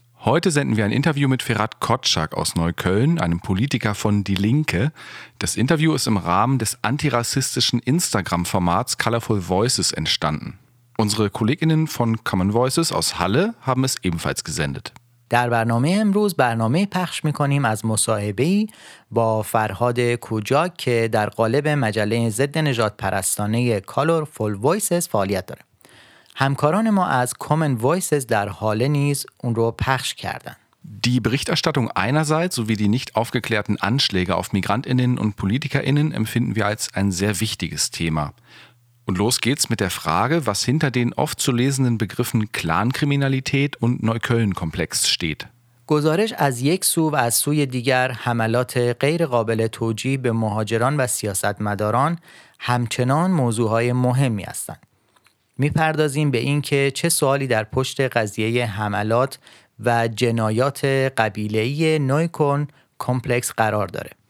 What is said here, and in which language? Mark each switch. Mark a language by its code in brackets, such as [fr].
[de] Heute senden wir ein Interview mit Ferhat Kocak aus Neukölln, einem Politiker von Die Linke. Das Interview ist im Rahmen des antirassistischen Instagram-Formats Colorful Voices entstanden. Unsere Kolleginnen von Common Voices aus Halle haben es ebenfalls gesendet. [fa] در برنامه امروز برنامه پخش میکنیم از مصاحبه‌ای با فرهاد کوجاک که در قالب مجله ضد نژادپرستانه Colorful Voices فعالیت داره. همکاران ما از Common Voices در حاله نیز اون رو پخش کردن. [de] Die Berichterstattung einerseits sowie die nicht aufgeklärten Anschläge auf MigrantInnen und PolitikerInnen empfinden wir als ein sehr wichtiges Thema. Und los geht's mit der Frage, was hinter den oft zu lesenden Begriffen Clankriminalität und Neukölln-Komplex steht. [fa] گزارش از یک سو و از سوی دیگر حملات غیر قابل توجیه به مهاجران و سیاستمداران همچنان موضوعهای مهمی هستند. میپردازیم به این که چه سوالی در پشت قضیه حملات و جنایات قبیله‌ای نویکون کمپلکس قرار داره.